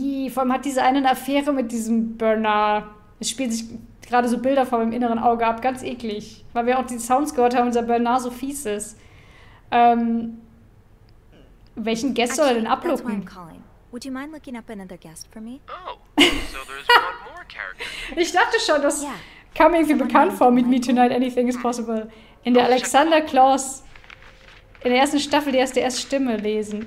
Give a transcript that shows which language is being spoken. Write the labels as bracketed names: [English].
[German] Vor allem hat diese eine Affäre mit diesem Bernard. Es spielen sich gerade so Bilder vor meinem inneren Auge ab. Ganz eklig. Weil wir auch die Sounds gehört haben, unser Bernard so fies ist. Welchen Gast soll er denn ablocken? [English] Would you mind looking up another guest for me? Oh, so there's one more character. [German] Ich dachte schon, das kam irgendwie bekannt vor. [English] Meet me tonight, anything is possible. [German] In der Alexander Klaus. In der ersten Staffel, die erste Stimme lesen.